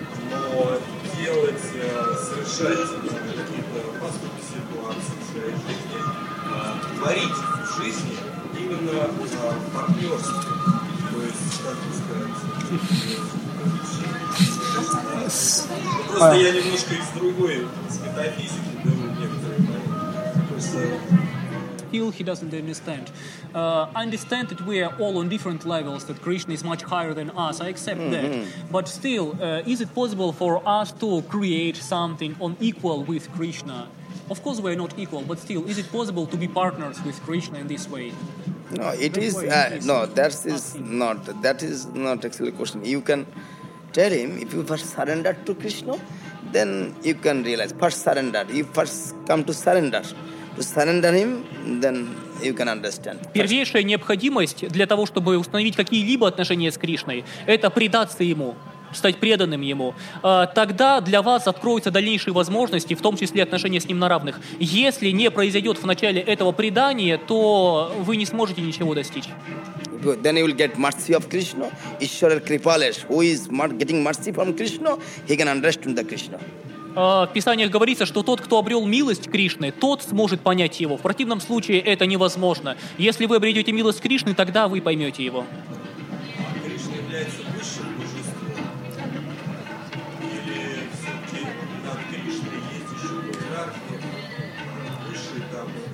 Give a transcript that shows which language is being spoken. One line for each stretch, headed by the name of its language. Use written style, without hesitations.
Russian: Но делать, совершать какие-то поступки, ситуации в своей жизни, творить в жизни именно партнерство. То есть, как бы сказать, просто я немножко из другой метафизики беру некоторые моменты.
English: Still, he doesn't understand. I understand that we are all on different levels, that Krishna is much higher than us. I accept mm-hmm. that. But still, is it possible for us to create something on equal with Krishna? Of course, we are not equal, but still, is it possible to be partners with Krishna in this way? No, it is. No, that is not actually a question. You can tell him, if you first surrender to Krishna, then you can realize. First surrender. You first come to surrender. Surrender him, then you can understand.
Russian: Первейшая необходимость для того, чтобы установить какие-либо отношения с Кришной, это предаться ему, стать преданным ему. Тогда для вас откроются дальнейшие возможности, в том числе отношения с ним на равных. Если не произойдет в начале этого предания, то вы не сможете ничего достичь.
English: Then you will get mercy of Krishna. Ishwara Kripalesh, who is getting mercy from Krishna, he can understand the Krishna.
Russian: В Писаниях говорится, что тот, кто обрел милость Кришны, тот сможет понять его. В противном случае это невозможно. Если вы обретете милость Кришны, тогда вы поймете его. А Кришна является высшим божеством? Или все-таки над Кришной есть еще иерархия, высший там?